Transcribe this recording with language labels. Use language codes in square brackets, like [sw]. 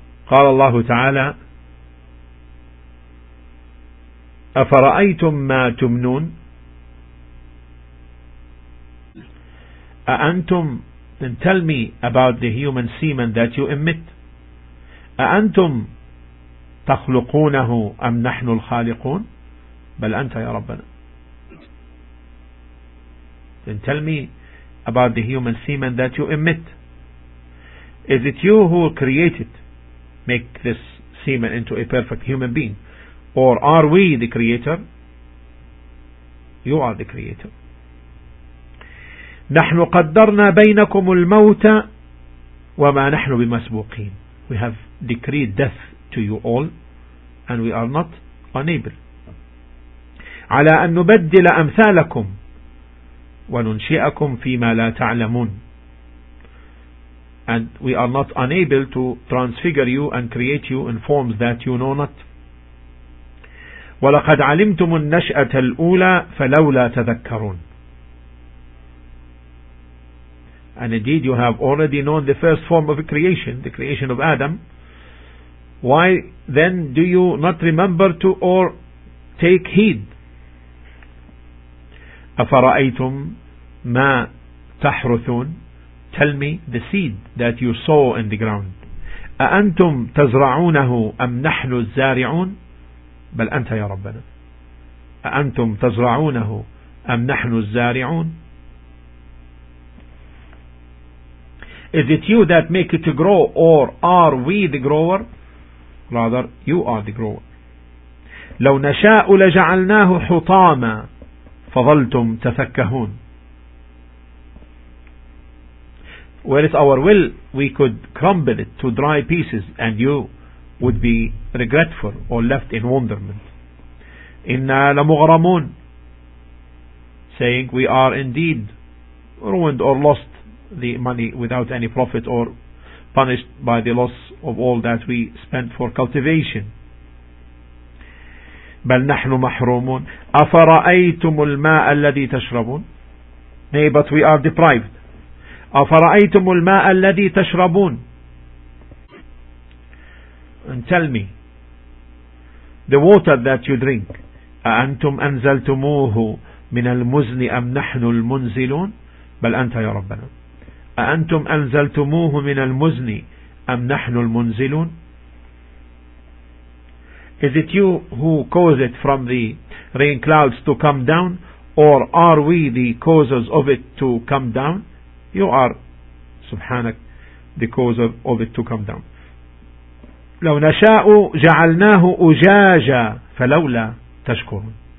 [ar] قال الله تعالى أفرأيتم ما تمنون. أأنتم, [en] then tell me about the human semen that you emit. [ar] أأنتم تخلقونه أم نحن الخالقون. بل أنت يا ربنا. [en] Then tell me about the human semen that you emit. Is it you who create it, make this semen into a perfect human being, or are we the creator? You are the creator. [ar] نَحْنُ قَدَّرْنَا بَيْنَكُمُ الْمَوْتَ وَمَا نَحْنُ بِمَسْبُوقِينَ. [en] We have decreed death to you all, and we are not unable. [ar] عَلَىٰ أَن نُبَدِّلَ أَمْثَالَكُمْ وَنُنْشِئَكُمْ فِي مَا لَا تَعْلَمُونَ. [en] And we are not unable to transfigure you and create you in forms that you know not. [ar] ولقد علمتم النشأة الأولى فلولا تذكرون. [en] And indeed you have already known the first form of creation, the creation of Adam. Why then do you not remember to or take heed? [ar] أفرأيتم ما تحرثون. [en] Tell me the seed that you sow in the ground. [ar] أأنتم تزرعونه أم نحن الزارعون؟ بل أنت يا ربنا. أأنتم تزرعونه أم نحن الزارعون؟ [en] Is it you that make it to grow or are we the grower? Rather, you are the grower. [ar] لو نشاء لجعلناه حطاما فظلتم تفكهون. [en] Well, it's our will, we could crumble it to dry pieces and you would be regretful or left in wonderment. [ar] إِنَّا لَمُغْرَمُونَ. [en] Saying, we are indeed ruined or lost the money without any profit or punished by the loss of all that we spent for cultivation. [ar] بَلْ نَحْنُ مَحْرُومُونَ. أَفَرَأَيْتُمُ الْمَاءَ الَّذِي تَشْرَبُونَ. [en] Nay, but we are deprived. [ar] أفرأيتم الماء الذي تشربون. [en] And tell me, the water that you drink, [ar] أأنتم أنزلتموه من المزن أم نحن المنزلون؟ بل أنت يا ربنا. أأنتم أنزلتموه من المزن أم نحن المنزلون؟ [en] Is it you who caused it from the rain clouds to come down, or are we the causes of it to come down? You are, subhanak, the cause of it to come down. [ar] لو نشاء جعلناه أجاجا فلولا تشكرون.